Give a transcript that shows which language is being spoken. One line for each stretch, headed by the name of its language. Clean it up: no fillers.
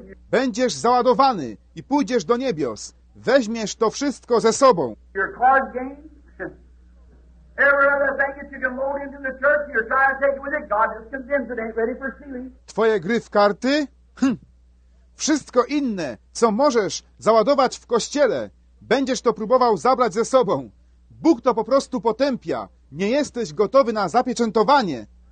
Polish: Będziesz załadowany i pójdziesz do niebios. weźmiesz to wszystko ze sobą.
English: Your card game, every other thing that you can load into the church, you're trying to take it with it. God just condemns it. Ain't ready for sealing.
Polish: Twoje gry w karty? Wszystko inne, co możesz załadować w kościele, będziesz to próbował zabrać ze sobą. Bóg to po prostu potępia. Nie jesteś gotowy na zapieczętowanie.